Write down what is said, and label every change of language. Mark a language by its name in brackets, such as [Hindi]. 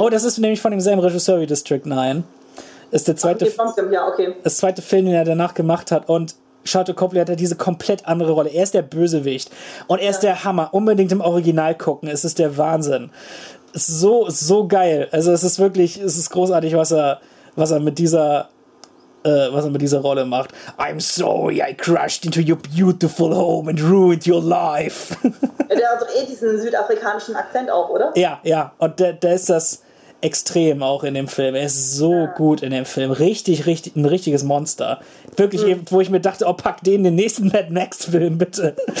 [German] Oh, das ist nämlich von demselben Regisseur wie District 9. Ist der zweite, das zweite Film, den er danach gemacht hat. Und Charlotte Copley hat ja diese komplett andere Rolle. Er ist der Bösewicht. Und er ist der Hammer. Unbedingt im Original gucken. Es ist der Wahnsinn. Es ist so, so geil. Also es ist wirklich, es ist großartig, was er mit dieser Rolle macht. [English] I'm sorry, I crashed into your beautiful home and ruined your life. [German] Der hat doch diesen südafrikanischen Akzent auch, oder? Ja. Und der ist das extrem auch in dem Film. Er ist so gut in dem Film. Richtig, richtig, ein richtiges Monster. Wirklich, eben, wo ich mir dachte, oh, pack den nächsten Mad Max Film, bitte.